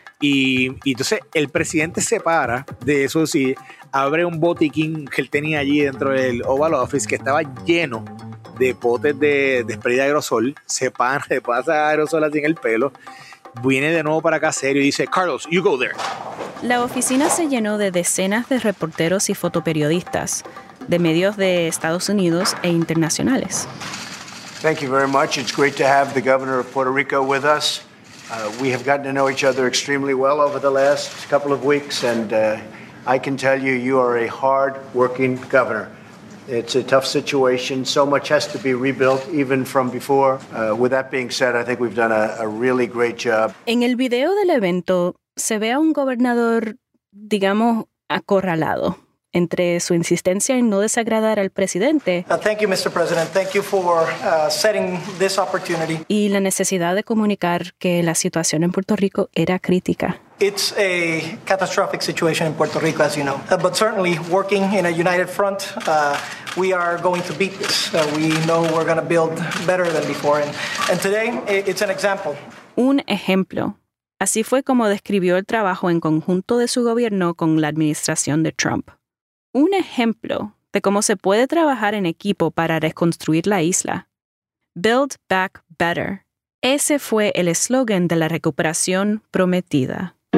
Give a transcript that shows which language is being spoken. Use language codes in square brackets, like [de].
[es] Y entonces el presidente se para de eso, sí, abre un botiquín que él tenía allí dentro del Oval Office, que estaba lleno de potes de spray de aerosol, se pasa aerosol así en el pelo, viene de nuevo para acá serio y dice: Carlos, [en] you go there. [es] La oficina se llenó de decenas de reporteros y fotoperiodistas de medios de Estados Unidos e internacionales. [en] Thank you very much. It's great to have the governor of Puerto Rico with us. We have gotten to know each other extremely well over the last couple of weeks, and I can tell you, you are a hard-working governor. It's a tough situation. So much has to be rebuilt, even from before. With that being said, I think we've done a really great job. [es] En el video del evento, se ve a un gobernador, digamos, acorralado entre su insistencia en no desagradar al presidente. [en] Thank you, Mr. President. Thank you for setting this opportunity. [es] Y la necesidad de comunicar que la situación en Puerto Rico era crítica. [en] It's a catastrophic situation in Puerto Rico, as you know. But certainly, working in a united front, we are going to beat this. We know we're going to build better than before. And today, it's an example. [es] Un ejemplo. Así fue como describió el trabajo en conjunto de su gobierno con la administración de Trump. Un ejemplo de cómo se puede trabajar en equipo para reconstruir la isla. [en] Build Back Better. [es] Ese fue el eslogan de la recuperación prometida.